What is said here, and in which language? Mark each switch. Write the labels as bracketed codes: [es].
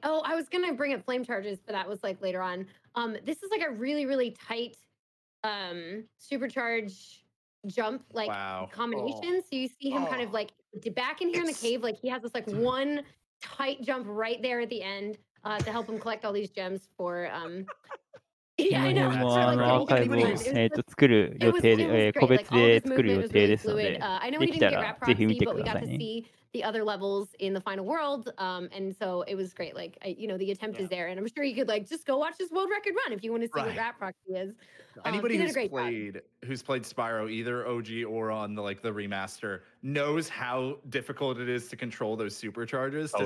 [en] Oh, I was gonna bring up flame charges, but that was like later on. This is like a really, really tight supercharge jump like combination. Oh. So you see him kind of like back in here in the cave, like he has this like one tight jump right there at the end to help him collect all these gems for [ja] アーカイブを作る予定で、個別で作る予定ですので、できたらぜひ見てくださいね。 [en] The other levels in the final world, and so it was great. Like, the attempt is there, and I'm sure you could like just go watch this world record run if you want to see what Rat Proxy is. Anybody who's played Spyro either OG or on the like the remaster knows how difficult it is to control those superchargers.